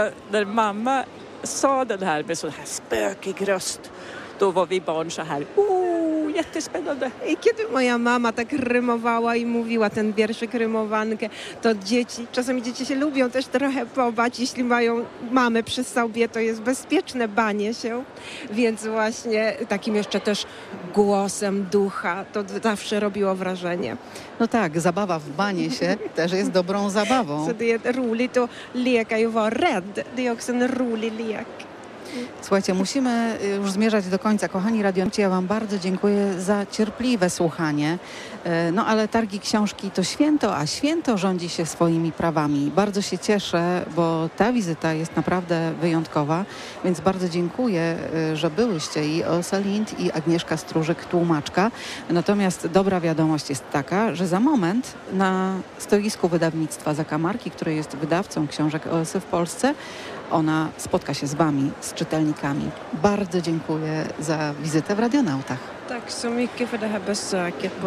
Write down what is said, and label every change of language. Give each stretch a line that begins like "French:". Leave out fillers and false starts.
Swedish: när mamma sa den här med sån här spökig röst, då var vi barn så här, jättespännande.
Polish: I kiedy moja mama tak rymowała i mówiła ten wiersz, rymowankę, to dzieci, czasami dzieci się lubią też trochę pobać, jeśli mają mamę przy sobie, to jest bezpieczne banie się, więc właśnie takim jeszcze też głosem ducha, to zawsze robiło wrażenie. No tak, zabawa w banie się też jest dobrą zabawą.
Swedish: Så det är roligt att leka och vara rädd. Det är också en rolig lek.
Polish: Słuchajcie, musimy już zmierzać do końca. Kochani radiowcy, ja wam bardzo dziękuję za cierpliwe słuchanie. No ale targi książki to święto, a święto rządzi się swoimi prawami. Bardzo się cieszę, bo ta wizyta jest naprawdę wyjątkowa, więc bardzo dziękuję, że byłyście i Åsa Lind, i Agnieszka Stróżyk, tłumaczka. Natomiast dobra wiadomość jest taka, że za moment na stoisku wydawnictwa Zakamarki, które jest wydawcą książek Åsy w Polsce, ona spotka się z wami, z czytelnikami. Bardzo dziękuję za wizytę w Radionautach.
Swedish: Tak så mycket för det här besöket på